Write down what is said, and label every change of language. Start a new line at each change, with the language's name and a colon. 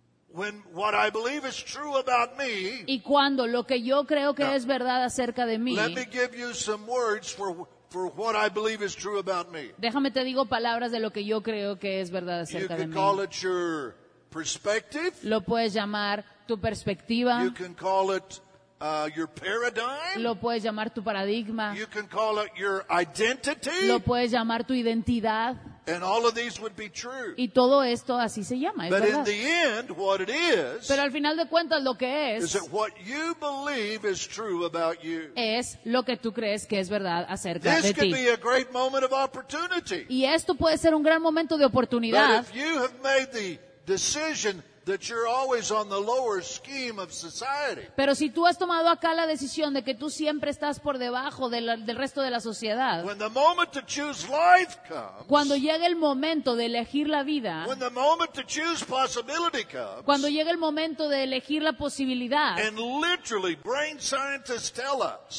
English: when what I believe is true about me,
Spanish: y cuando lo que yo creo que es verdad acerca de mí,
English: let me give you some words for what I believe is true about me.
Spanish: Déjame te digo palabras de lo que yo creo que es verdad acerca de mí.
English: You can call it your perspective.
Spanish: Lo puedes llamar tu perspectiva.
English: You can call it your paradigm.
Spanish: Lo puedes llamar tu paradigma.
English: You can call it your identity.
Spanish: Lo puedes llamar tu identidad.
English: And all of these would be true.
Spanish: Y todo esto así se llama,
English: but
Spanish: ¿verdad?
English: In the end, what it is.
Spanish: Pero al final de cuentas, lo que es.
English: Is that what you believe is true about you.
Spanish: Es lo que tú crees que es verdad acerca
English: this
Spanish: de
English: could
Spanish: ti.
English: Be a great moment of opportunity.
Spanish: Y esto puede ser un gran momento de oportunidad.
English: But if you have made the decision that you're always on the lower scheme of society.
Spanish: Pero si tú has tomado acá la decisión de que tú siempre estás por debajo del resto de la sociedad.
English: When the moment to choose life comes.
Spanish: Cuando llega el momento de elegir la vida.
English: When the moment to choose possibility comes.
Spanish: Cuando llega el momento de elegir la posibilidad.
English: And literally brain scientists tell us.